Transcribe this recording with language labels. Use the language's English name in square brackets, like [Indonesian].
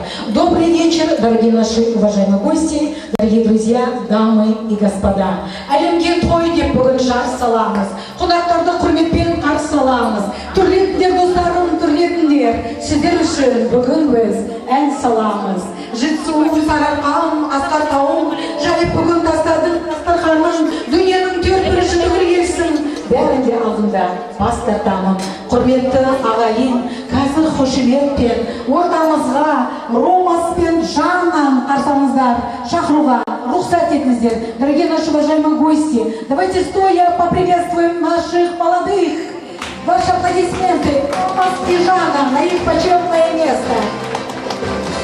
[Russian] Добрый вечер, дорогие наши уважаемые гости, дорогие друзья, дамы и господа. [Kazakh] Әлемге той деп бүгін жар саламыз. Қонақтарды құрметпен қарсы аламыз. Түрлетіндер, достарым, түрлетіндер. Сіздер үшін бүгін біз ән саламыз. Жетісу, Сарыарқам, Асқар тауым, және бүгін тастадың дастарханын, дүниенің төрт бұрышының бір елсін. Бәрін де алдында бас тартамын. Құрметті ағайын, қазір хошеметпен, ортамызға, Ромаспен, Жаннан қарсаңыздар, шақыруға рұқсат етіңіздер. [Russian] Дорогие наши уважаемые гости, давайте стоя поприветствуем наших молодых. Ваши аплодисменты, Ромас и Жанна на их почетное место.